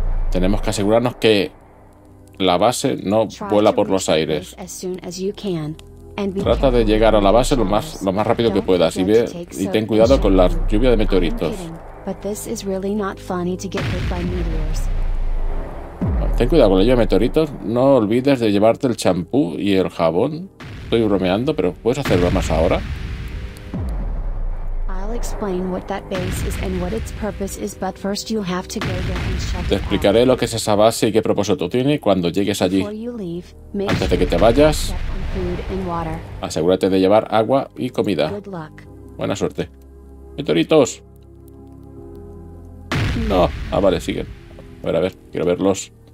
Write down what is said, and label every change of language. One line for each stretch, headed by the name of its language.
Spanish: Tenemos que asegurarnos que la base no vuela por los aires. Trata de llegar a la base lo más rápido que puedas y ten cuidado con la lluvia de meteoritos.
English: But this is really not funny to get hit by meteors.
Spanish: Ten cuidado con la lluvia de meteoritos. No olvides de llevarte el champú y el jabón. Estoy bromeando, pero puedes hacerlo más ahora.
English: I'll explain what that base is and what its purpose is, but first you have to go there and shut the.
Spanish: Te explicaré lo que es esa base y qué propósito tiene cuando llegues allí. Antes de que te vayas, asegúrate de llevar agua y comida. Good luck. Buena suerte. Meteoritos. No. Ah, vale, siguen. A ver, quiero verlos.